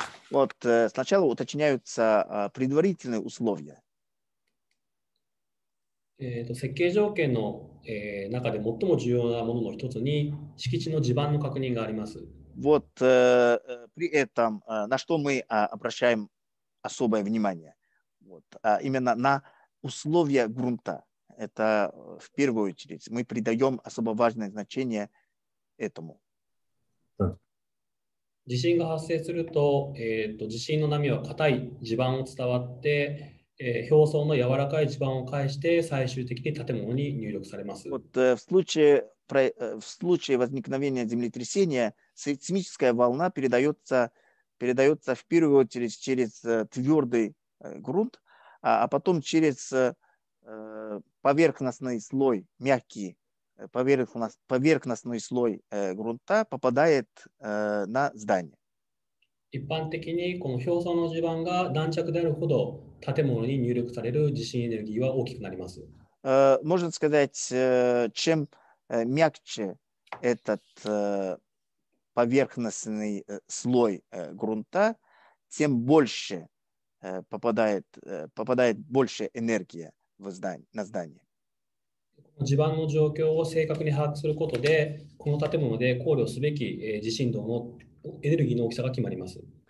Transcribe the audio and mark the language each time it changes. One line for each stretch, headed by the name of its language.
Russian: Вот, сначала уточняются предварительные условия.
Japanese: 設計条件の中で最も重要なものの一つに敷地の地盤の確認があります。
Russian: Вот, при этом, на что мы обращаем особое внимание. Вот. А именно на условия грунта. Это в первую очередь. Мы придаем особо важное значение этому.
Japanese: 地震が発生すると、地震の波は硬い地盤を伝わって、表層の柔らかい地盤を介して最終的に建物に入力されます。
Russian: Вот, в случае возникновения землетрясения сейсмическая волна передается в первую очередь через твердый грунт, а потом через поверхностный слой, мягкий поверхностный слой грунта попадает на здание.
Japanese: 一般的にこの表層の地盤が軟弱であるほど建物に入力される地震エネルギーは大きくなります。
Russian: Можно сказать, чем мягче этот поверхностный слой грунта, тем больше попадает больше энергии на здание.
Japanese: 地盤の状況を正確に把握することで、この建物で考慮すべき地震動のエネルギーの大きさが決まります。